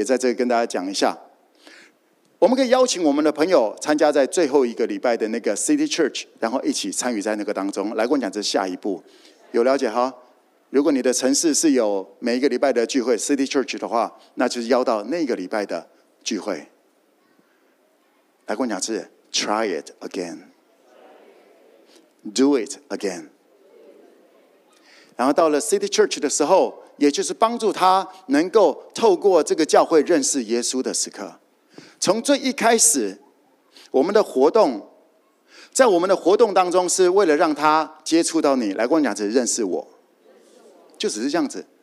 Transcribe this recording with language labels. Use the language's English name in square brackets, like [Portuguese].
[Chinese] 也在这里跟大家讲一下，我们可以邀请我们的朋友参加在最后一个礼拜的那个 City Church， 然后一起参与在那个当中。来，跟我讲，这是下一步，有了解哈？如果你的城市是有每一个礼拜的聚会 City Church 的话，那就是邀到那个礼拜的聚会。来，跟我讲，是 [English] Try it again， Do it again。 [Chinese] 然后到了 City Church 的时候，也就是帮助他能够透过这个教会认识耶稣的时刻。从最一开始我们的活动，在我们的活动当中是为了让他接触到你，来跟我讲，只是认识我，就只是这样子。